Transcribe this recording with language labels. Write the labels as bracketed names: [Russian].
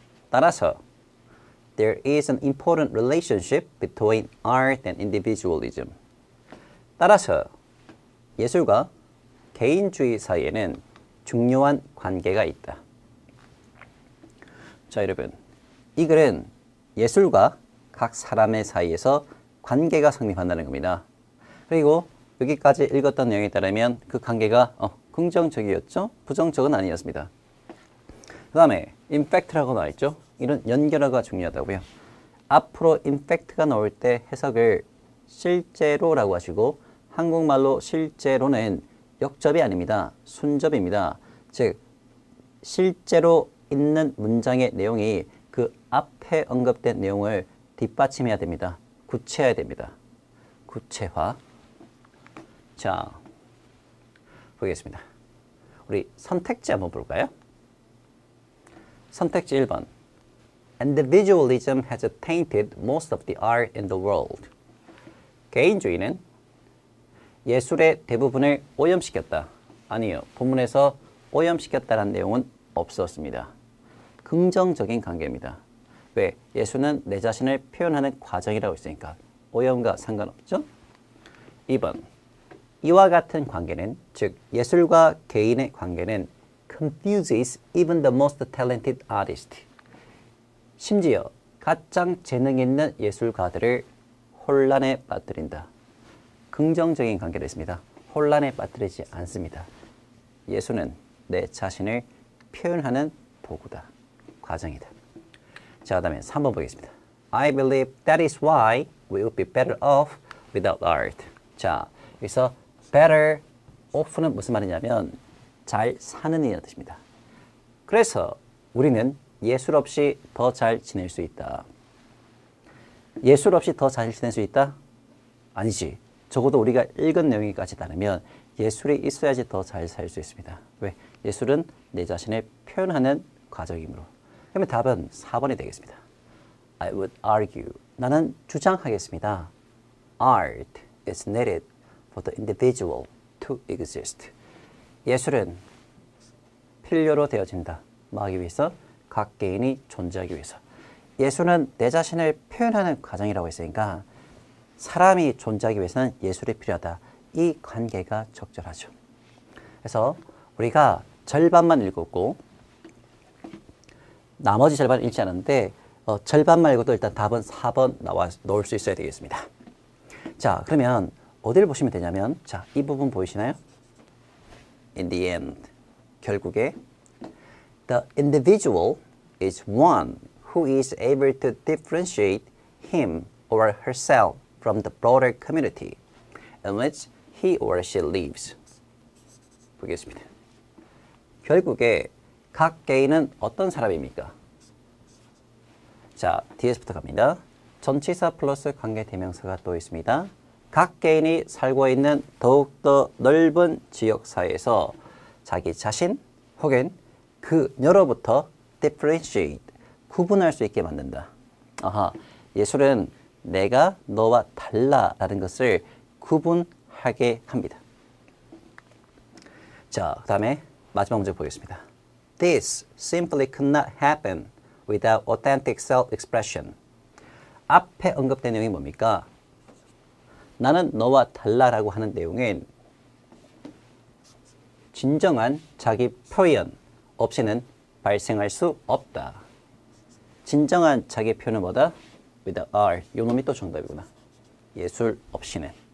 [Korean] 따라서 [English] there is an important relationship between art and individualism. [Korean] 따라서 예술과 개인주의 사이에는 중요한 관계가 있다. 자, 여러분, 이 글은 예술과 각 사람의 사이에서 관계가 성립한다는 겁니다. 그리고 여기까지 읽었던 내용에 따르면 그 관계가 긍정적이었죠? 부정적은 아니었습니다. 그 다음에 impact라고 나와있죠? 이런 연결어가 중요하다고요. 앞으로 impact가 나올 때 해석을 실제로라고 하시고 한국말로 실제로는 역접이 아닙니다. 순접입니다. 즉, 실제로 있는 문장의 내용이 그 앞에 언급된 내용을 뒷받침해야 됩니다. 구체화해야 됩니다. 구체화. 자, 보겠습니다. 우리 선택지 한번 볼까요? 선택지 1번. [English] Individualism has tainted most of the art in the world. [Korean] 개인주의는 예술의 대부분을 오염시켰다. 아니요. 본문에서 오염시켰다는 내용은 없었습니다. 긍정적인 관계입니다. 왜? 예술은 내 자신을 표현하는 과정이라고 했으니까 오염과 상관없죠? 2번. 이와 같은 관계는, 즉 예술과 개인의 관계는 [English] confuses even the most talented artist. [Korean] 심지어 가장 재능 있는 예술가들을 혼란에 빠뜨린다. 긍정적인 관계를 했습니다. 혼란에 빠뜨리지 않습니다. 예술은 내 자신을 표현하는 도구다. 과정이다. 자, 다음에 3번 보겠습니다. [English] I believe that is why we would be better off without art. [Korean] 자, 여기서 better off는 무슨 말이냐면 잘 사는 이라는 뜻입니다. 그래서 우리는 예술 없이 더 잘 지낼 수 있다. 예술 없이 더 잘 지낼 수 있다? 아니지. 적어도 우리가 읽은 내용까지 따르면 예술이 있어야지 더 잘 살 수 있습니다. 왜? 예술은 내 자신을 표현하는 과정이므로. 그러면 답은 4번이 되겠습니다. [English] I would argue. [Korean] 나는 주장하겠습니다. [English] Art is needed for the individual to exist. [Korean] 예술은 필요로 되어진다. 뭐 하기 위해서? 각 개인이 존재하기 위해서. 예술은 내 자신을 표현하는 과정이라고 했으니까 사람이 존재하기 위해서는 예술이 필요하다. 이 관계가 적절하죠. 그래서 우리가 절반만 읽었고 나머지 절반은 읽지 않았는데 절반만 읽어도 일단 답은 4번 나와 놓을 수 있어야 되겠습니다. 자, 그러면 어디를 보시면 되냐면, 자, 이 부분 보이시나요? [English] In the end, [Korean] 결국에 [English] the individual is one who is able to differentiate him or herself from the broader community in which he or she lives. [Korean] 보겠습니다. 결국에 각 개인은 어떤 사람입니까? 자, 뒤에서부터 갑니다. 전치사 플러스 관계대명사가 또 있습니다. 각 개인이 살고 있는 더욱더 넓은 지역 사회에서 자기 자신 혹은 그녀로부터 differentiate, 구분할 수 있게 만든다. 아하, 예술은 내가 너와 달라라는 것을 구분하게 합니다. 자, 그 다음에 마지막 문제 보겠습니다. [English] This simply could not happen without authentic self-expression. [Korean] 앞에 언급된 내용이 뭡니까? 나는 너와 달라라고 하는 내용은 진정한 자기 표현 없이는 발생할 수 없다. 진정한 자기 표현은 뭐다? [English] With the art. [Korean] 요놈이 또 정답이구나. 예술 없이는.